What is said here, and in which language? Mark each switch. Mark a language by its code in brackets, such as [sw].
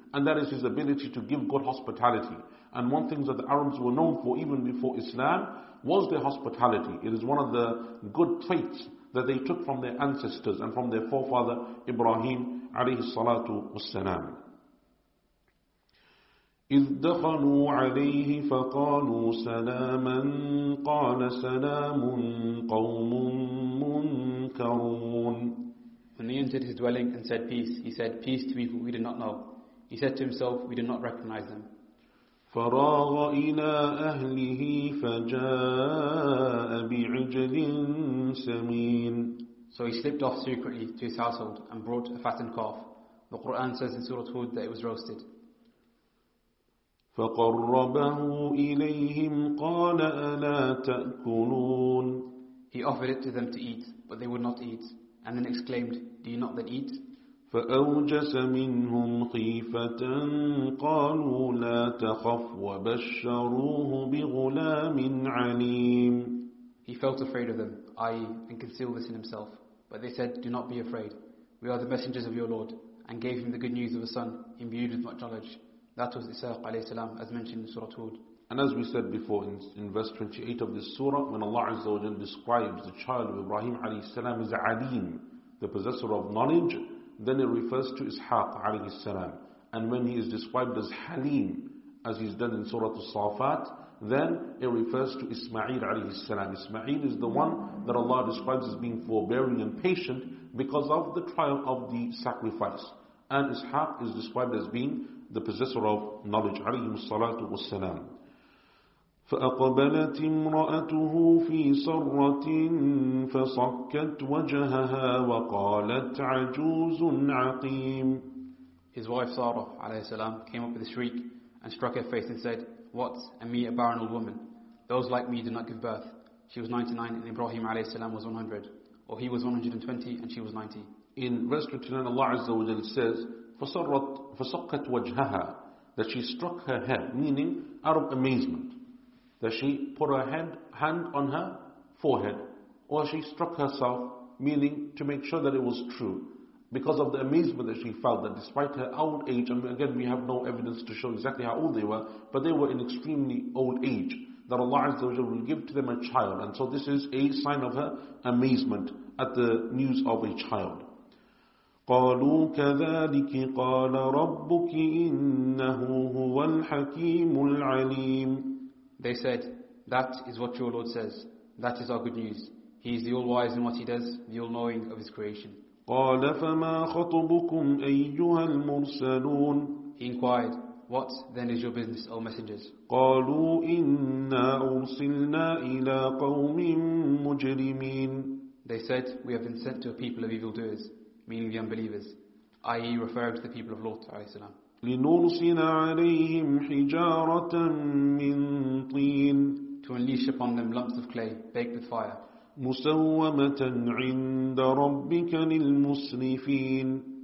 [en] And that is his ability to give good hospitality. And one thing that the Arabs were known for even before Islam was their hospitality. It is one of the good traits that they took from their ancestors and from their forefather Ibrahim alayhi salatu wa salam. [ar] إذ دخلوا عليه فقالوا سلاما قال سلام قوم منكرون. [en] When he entered his dwelling and said peace, he said peace to people we did not know. He said to himself, we did not recognize them. [ar] فراغ إلى أهله فجاء بعجل سمين. [en] So he slipped off secretly to his household and brought a fattened calf. The Quran says in Surah Hud that it was roasted. [ar] فقربه إليهم قال ألا تأكلون. [en] He offered it to them to eat, but they would not eat, and then exclaimed, do you not then eat? [ar] فأوجس منهم خيفة قالوا لا تخف وبشروه بغلام عليم. [en] He felt afraid of them, i.e. and concealed this in himself, but they said, do not be afraid, we are the messengers of your Lord, and gave him the good news of a son imbued with much knowledge. That was Ishaq alayhi salam, as mentioned in Surah Hud. And as we said before, in verse 28 of this surah, when Allah Azza wa Jal describes the child of Ibrahim alayhi salam as alim, the possessor of knowledge, then it refers to Ishaq alayhi salam. And when he is described as halim, as he's done in Surah As-Safat, then it refers to Ismail alayhi salam. Ismail is the one that Allah describes as being forbearing and patient because of the trial of the sacrifice. And Ishaq is described as being the possessor of knowledge, [ar] عليهم الصلاة والسلام. فأقبلت امرأته في صرة فصكت وجهها وقالت عجوز عقيم. [en] His wife Sarah [ar] عليه السلام [en] came up with a shriek and struck her face and said, what, am I a barren old woman? Those like me did not give birth. She was 99 and Ibrahim [ar] عليه السلام [en] was 100. Or he was 120 and she was 90. In verse 29, Allah Azza wa Jal says, [ar] فَصَقَّتْ وَجْهَهَا, [en] that she struck her head, meaning out of amazement, that she put her hand on her forehead, or she struck herself, meaning to make sure that it was true, because of the amazement that she felt, that despite her old age, and again we have no evidence to show exactly how old they were, but they were in extremely old age, that Allah Azza wa Jal will give to them a child. And so this is a sign of her amazement at the news of a child. [ar] قالوا كذلك قال ربك إنه هو الحكيم العليم. [en] They said, that is what your Lord says. That is our good news. He is the all-wise in what he does, the all-knowing of his creation. [ar] قال فما خطبكم أيها المرسلون. [en] He inquired, what then is your business, O messengers? [ar] قالوا إنا أرسلنا إلى قوم مجرمين. [en] They said, we have been sent to a people of evildoers, meaning the unbelievers, i.e. referring to the people of Lot alayhi salam. [ar] لِنُرْسِلَ عَلَيْهِمْ حِجَارَةً مِّن طِينٍ. [en] To unleash upon them lumps of clay baked with fire. [ar] مُسَوَّمَةً عِندَ رَبِّكَ لِلْمُسْرِفِينَ.